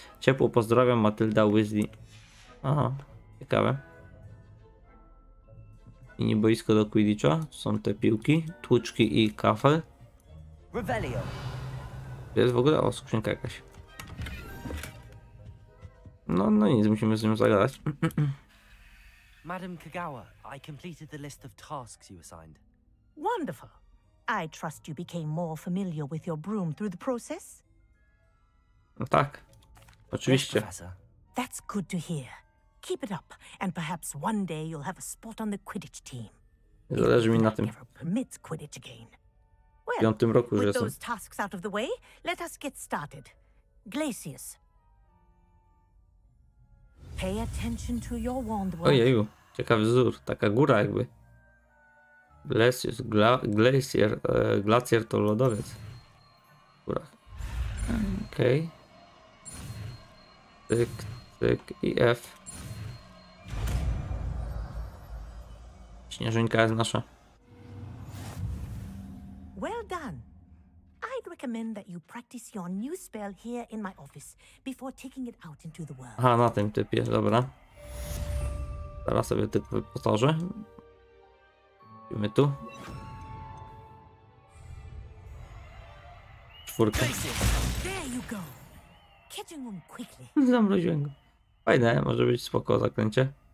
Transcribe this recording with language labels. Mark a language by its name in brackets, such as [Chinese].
[Polish] Ciepło pozdrawiam, Matylda Weasley. Aha, ciekawe. Mini boisko do Quidditcha. Są te piłki, tłuczki i kafel. Jest w ogóle, o, skrzynka jakaś. No, no nic, musimy z nią zagadać. [English] Madam Kagawa, I completed the list of tasks you assigned. Wonderful. I trust you became more familiar with your broom through the process? [Polish] No tak. Oczywiście. [English] Yes, that's good to hear. Keep it up and perhaps one day you'll have a spot on the Quidditch team. [Polish] Zależy mi na tym. [English] Permits Quidditch again. Well, [Polish] w piątym roku już jestem. [English] With those tasks out of the way, let us get started. Glacius. Pay attention to your wand. [Polish] Ojeju, ciekawy wzór, taka góra jakby. Glacius, glacier, glacier to lodowiec. Kurak. Okej. Okay. Tyk, tyk i F. Śnieżynka jest nasza. [English] Well done. I'd recommend that you practice your new spell here in my office before taking it out into the world. [Polish] Aha, na tym typie, dobra. Zaraz sobie typ wyposażę. Idziemy tu. Czwórka. [English] There you go. Catching one quickly. [Polish] Zamroziłem go. Fajne, może być spoko zaklęcie.